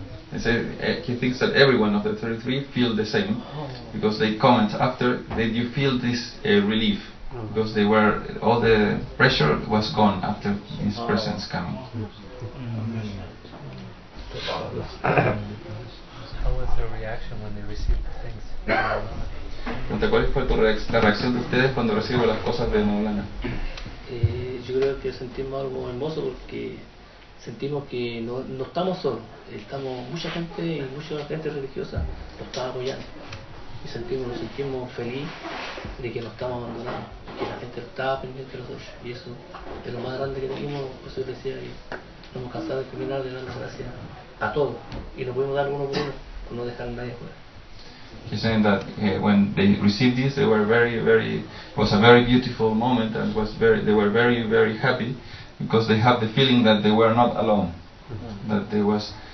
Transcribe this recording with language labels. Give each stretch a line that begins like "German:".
English: He said he thinks that everyone of the 33 feel the same, because they comment after, did you feel this relief? Because they were, all the pressure was gone after his presence coming. How was their reaction when they received the things?
Spanish: ¿Cuál fue la reacción de ustedes cuando recibieron las cosas de Maulana? Yo creo que sentimos algo hermoso porque sentimos que no estamos solos, estamos mucha gente y mucha gente religiosa nos está apoyando. Y nos sentimos feliz de que no estamos abandonados, que la gente está pendiente de nosotros. Y eso es lo más grande que tenemos, por eso decía que estamos cansados de terminar de dar las gracias a todos. Y nos podemos dar uno por uno, por no dejar a nadie fuera.
English: He's saying that when they received this, they were very, very, it was a very beautiful moment, and was very, they were very, very happy, because they have the feeling that they were not alone, that there was,